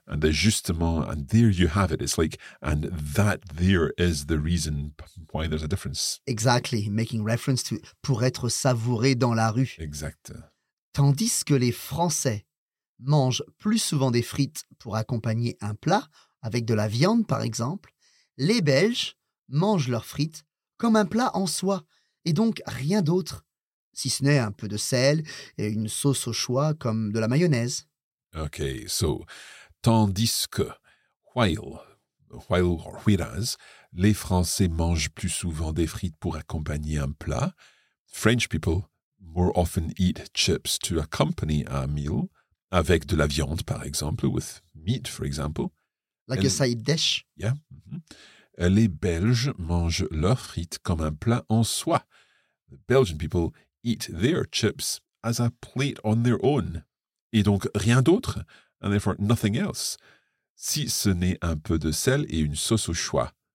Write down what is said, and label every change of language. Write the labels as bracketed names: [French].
[English] And the justement, and there you have it. It's like, and that there is the reason why there's a difference. Exactly. Making reference to [French] pour être savouré dans la rue. Exact. Tandis que les Français mangent plus souvent des frites pour accompagner un plat, avec de la viande par exemple, les Belges mangent leurs frites comme un plat en soi, et donc rien d'autre, si ce n'est un peu de sel et une sauce au choix comme de la mayonnaise. Ok, so, tandis que, [English] while or whereas, [French] les Français mangent plus souvent des frites pour accompagner un plat, [English] French people more often eat chips to accompany a meal, [French] avec de la viande par exemple, [English] with meat for example. Like a side dish. Yeah, mm-hmm. [French] Les Belges mangent leurs frites comme un plat en soi. [English] The Belgian people eat their chips as a plate on their own. [French] Et donc, rien d'autre. [English] And therefore, nothing else. [French] Si ce n'est un peu de sel et une sauce au choix.